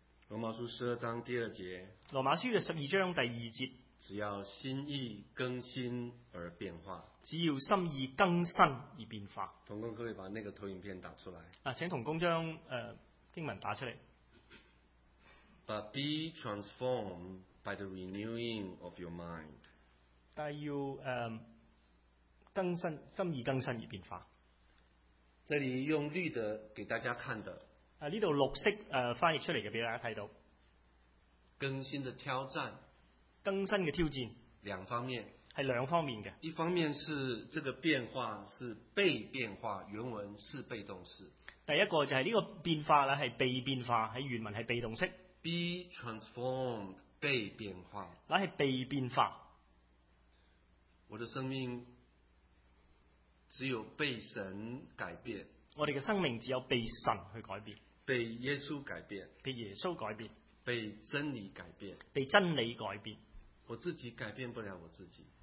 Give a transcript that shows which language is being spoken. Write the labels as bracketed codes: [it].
[zh] 罗马书十二章第二节，罗马书的十二章第二节，只要心意更新而变化，只要心意更新而变化。同工可以把那个投影片打出来，请同工将经文打出来。 [en] But be transformed by the renewing of your mind. [zh] 但要更新，心意更新而变化。这里用绿的给大家看的。这里绿色翻译出来的给大家看到。更新的挑战。更新的挑战。两方面。是两方面的。一方面是这个变化是被变化，原文是被动式。第一个就是这个变化是被变化，在原文是被动式。 [en] Be transformed, [zh] 被变化。那是被变化。我的生命只有被神改变。我们的生命只有被神去改变。被耶稣改变。被耶稣改变。被真理改变。被真理改变。我自己改变不了我自己。